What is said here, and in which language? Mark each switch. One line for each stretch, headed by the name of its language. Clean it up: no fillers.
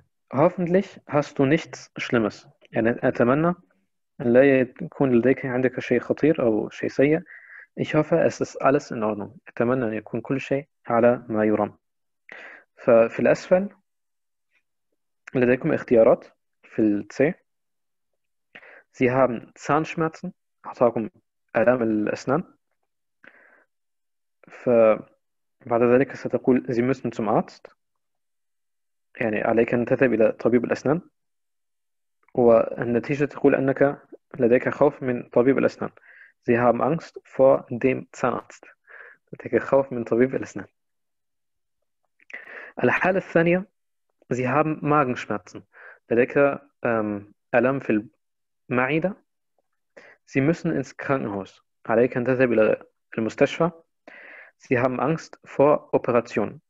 German: Hoffentlich hast du nichts Schlimmes.
Arabic: يعني أتمنى أن لا يكون لديك عندك شيء خطير أو شيء سيء.
German: Ich hoffe, es ist alles in Ordnung.
Arabic: أتمنى أن يكون كل شيء على ما يرام. ففي الأسفل لديكم اختيارات في الـ C.
German: Sie haben Zahnschmerzen.
Arabic: أعطاكم آلام الأسنان. فبعد ذلك ستقول
German: Sie müssen zum Arzt.
Arabic: يعني عليك أن تذهب إلى طبيب الأسنان، والنتيجة تقول أنك لديك خوف من طبيب الأسنان.
German: Sie haben Angst vor dem Zahnarzt.
Arabic: لديك خوف من طبيب الأسنان. الحالة الثانية،
German: Sie haben Magenschmerzen.
Arabic: لديك ألم في المعدة.
German: Sie müssen ins Krankenhaus.
Arabic: عليك أن تذهب إلى المستشفى.
German: Sie haben Angst vor Operation.